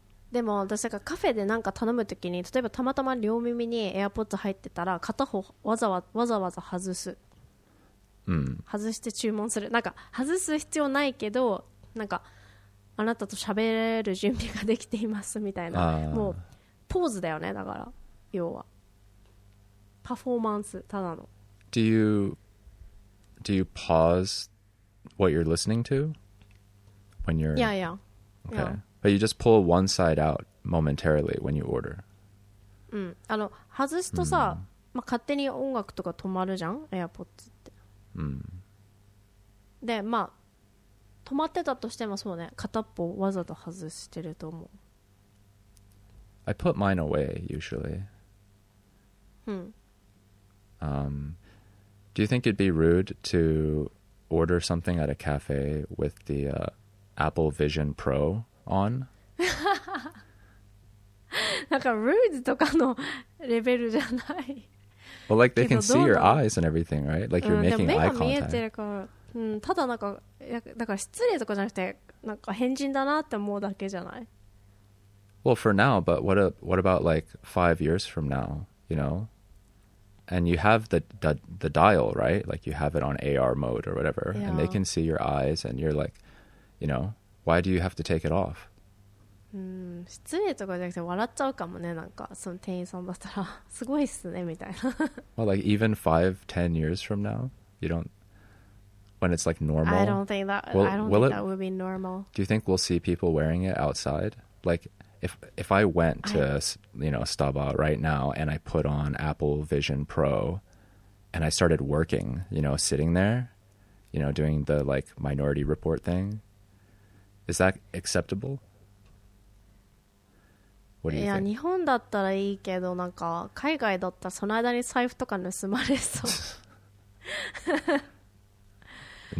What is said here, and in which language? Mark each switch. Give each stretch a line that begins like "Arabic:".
Japanese: でも私がカフェでなんか頼むときに、例えばたまたま両耳にエアポッド入ってたら、片方わざわざ外す。外して注文する。なんか外す必要ないけど、なんかあなたと喋れる準備ができていますみたいな。もうポーズだよね。だから。要はパフォーマンスただの。
English: Do you pause what you're listening to when you're? Yeah, yeah. Okay, yeah. But you just pull one side out momentarily when you order.
Japanese: うん、あの外すとさ、まあ、勝手に音楽とか止まるじゃん、AirPods って。で、まあ止まってたとしてもそうね、片っぽわざと外してると思う。
English: I put mine away usually. Do you think it'd be rude to order something at a cafe with the Apple Vision Pro on?
Japanese: なんか rude とかのレベルじゃない。
English: Well, like they can see your eyes and everything, right? Like you're making eye contact.
Japanese: 目が見えてるから、ただなんかだから失礼とかじゃなくてなんか変人だなって思うだけじゃない。
English: Well, for now, but what about like 5 years from now? You know? And you have the dial, right? Like you have it on AR mode or whatever. Yeah. And they can see your eyes and you're like, you know, why do you have to take it off?
Japanese: 失礼とかじゃなくて笑っちゃうかもね、なんかその店員さんだったらすごいっすねみたいな。
English: Well, like even 5-10 years from now, you don't, when it's like normal. I don't think that, will, I don't think it, that would be normal. Do you think we'll see people wearing it outside? Like if I went to, you know, Starbucks right now and I put on Apple Vision Pro and I started working, you know, sitting there, you know, doing the like Minority Report thing, is that acceptable?
Japanese: いや日本だったらいいけどなんか海外だったらその間に財布とか盗まれそう。